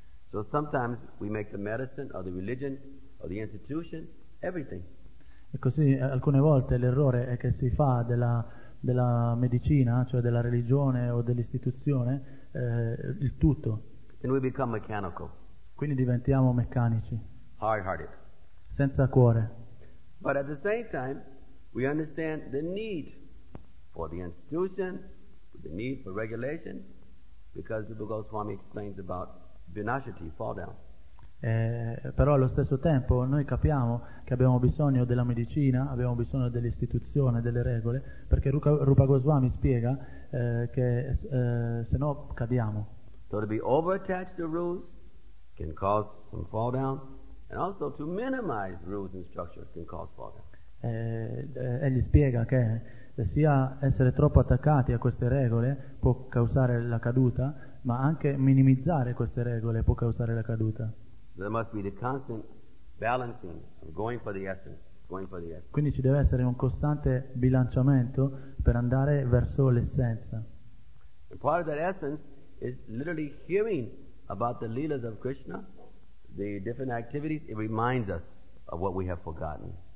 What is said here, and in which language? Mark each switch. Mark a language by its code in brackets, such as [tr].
[en] So sometimes we make the medicine or the religion or the institution everything. [it] E così alcune volte l'errore è che si fa della medicina, cioè della religione o dell'istituzione, il tutto. [en] And we become mechanical. [it] Quindi diventiamo meccanici. [en] Hard-hearted. [it] Senza cuore. [en] But at the same time, we understand the need for the institution, the need for regulation, because the Rupa Goswami explains about vinashati, fall down. [it] Però allo stesso tempo noi capiamo che abbiamo bisogno della medicina, abbiamo bisogno dell'istituzione, delle regole, perché Rupa Goswami spiega che se no cadiamo. [en] So to be overattached to rules can cause some fall down, and also to minimize rules and structures can cause fall down. [it] Egli spiega che sia essere troppo attaccati a queste regole può causare la caduta, ma anche minimizzare queste regole può causare la caduta. [en] There must be the constant balancing of going for the essence, going for the essence. [it] Quindi ci deve essere un costante bilanciamento per andare verso l'essenza. [en] And part of that essence is literally hearing about the leelas of Krishna, the different activities. It reminds us of what we have forgotten.